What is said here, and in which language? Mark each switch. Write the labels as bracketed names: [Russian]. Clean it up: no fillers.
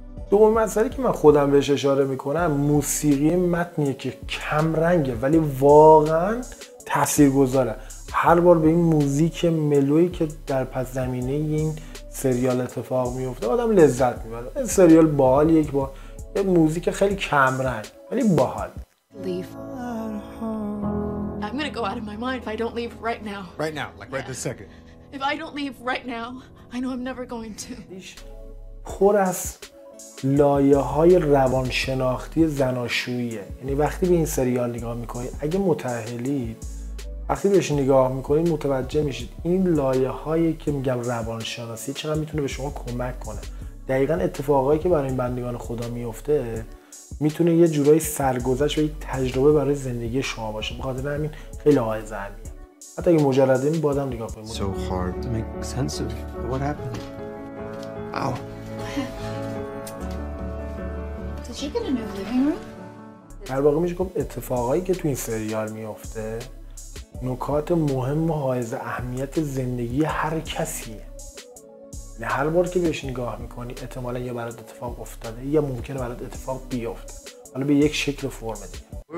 [Persian] دوم مسئله که من خودم بهش اشاره میکنم موسیقی متنیه که کم رنگه ولی واقعا تاثیرگذاره. هر بار به این موزیک ملوی که در پس زمینه این سریال اتفاق میفته آدم لذت میبره. این سریال باحال، یک بار یه موزیک خیلی کم رنگ ولی باحال. [English] I'm going to go out of my mind if I don't leave right now. Right now, like right this second. If I don't leave right now, I know I'm never going to. [Persian] پر از لایه‌های روانشناختی زناشوییه. یعنی وقتی به این سریال نگاه میکنید، اگه متأهلید، وقتی بهش نگاه میکنید متوجه میشید این لایه هایی که میگم روانشناسی چقدر میتونه به شما کمک کنه. دقیقا اتفاقایی که برای این بندگان خدا میفته میتونه یه جورایی سرگذشت و یه تجربه برای زندگی شما باشه. بخاطر همین خیلی های زنی هم. حتی اگه مجرده این بادم نگاه کنید. [English] So hard to make sense of what happened. Ow. Did you get a new living room? [Persian] در واقع میشه گفت اتفاقایی که تو این سریال میفته نکات مهم و حائز اهمیت زندگی هر کسیه. نه هر بار که بهش نگاه میکنی احتمالا یا برات اتفاق افتاده یا ممکنه برات اتفاق بیفته، حالا به یک شکل و فرم دیگه.